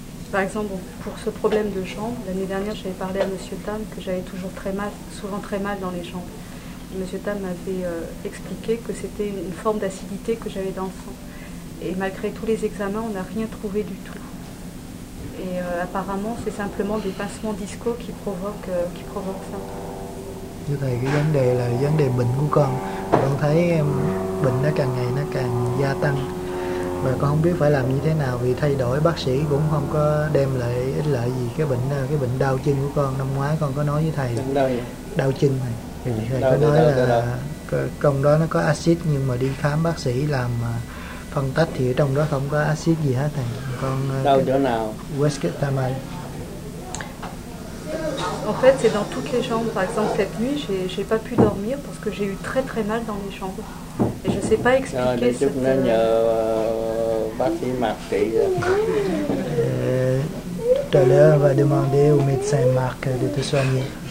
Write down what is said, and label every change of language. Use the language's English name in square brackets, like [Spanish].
[French] Par exemple pour ce problème de jambes, l'année dernière j'avais parlé à Monsieur Tam que j'avais toujours très mal, souvent très mal dans les jambes. Monsieur Tam m'avait expliqué que c'était une forme d'acidité que j'avais dans le sang. Et malgré tous les examens, on n'a rien trouvé du tout. Et apparemment, c'est simplement des pincements disco qui provoquent ça. [Vietnamese] Như thầy, cái vấn đề là vấn đề bệnh của con. Con thấy bệnh nó càng ngày nó càng gia tăng. Và con không biết phải làm như thế nào vì thay đổi bác sĩ cũng không có đem lại ích lợi gì. Cái bệnh đau chân của con năm ngoái con có nói với thầy. Đau chân này. Thầy có nói là trong đó nó có axit nhưng mà đi khám bác sĩ làm phân tách thì ở trong đó không có axit gì hết thầy. Con đau chỗ nào? Westgate Tamale. [French] En fait, c'est dans toutes les jambes. Par exemple, cette nuit, j'ai pas pu dormir parce que j'ai eu très très mal dans les jambes. Et je sais pas expliquer. Non, mais [Vietnamese] chúng ta nhờ bác sĩ Mark trị. [French] Tout à l'heure, on va demander au médecin Mark de te soigner.